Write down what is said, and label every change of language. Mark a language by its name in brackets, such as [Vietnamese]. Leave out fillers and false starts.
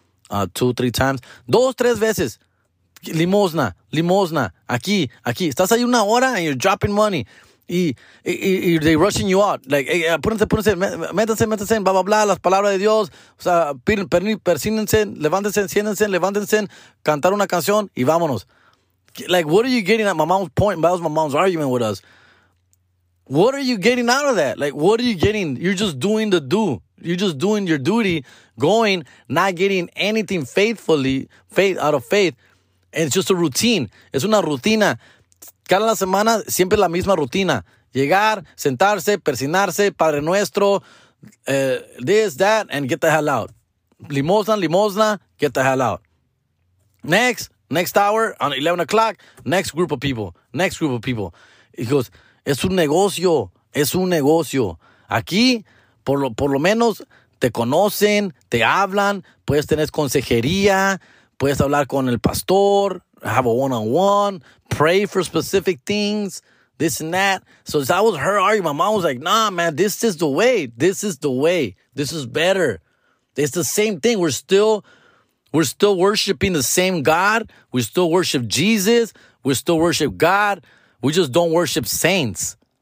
[English] 2-3 times. [Spanish] 2-3 veces. Limosna. Aquí. Estás ahí una hora [English] and you're dropping money. [Spanish] Y [English] they rushing you out. Like, hey, [Spanish] apúrense, métanse, [English] blah, blah, blah, [Spanish] las palabras de Dios. O sea, persínense, levántense, cantar una canción y vámonos. [English] Like, what are you getting at? My mom's point, that was my mom's argument with us. What are you getting out of that? Like, what are you getting? You're just doing the do. You're just doing your duty, going, not getting anything out of faith. And it's just a routine. [Spanish] Es una rutina. Cada semana, siempre la misma rutina. Llegar, sentarse, persignarse, Padre Nuestro, [English] this, that, and get the hell out. Limosna, get the hell out. Next hour, on 11 o'clock, next group of people. He goes, [Spanish] es un negocio. Aquí, por lo menos, te conocen, te hablan, puedes tener consejería, puedes hablar con el pastor. [English] Have a one-on-one, pray for specific things, this and that. So that was her argument. My mom was like, nah, man, this is the way. This is better. It's the same thing. We're still worshiping the same God. We still worship Jesus. We still worship God. We just don't worship saints.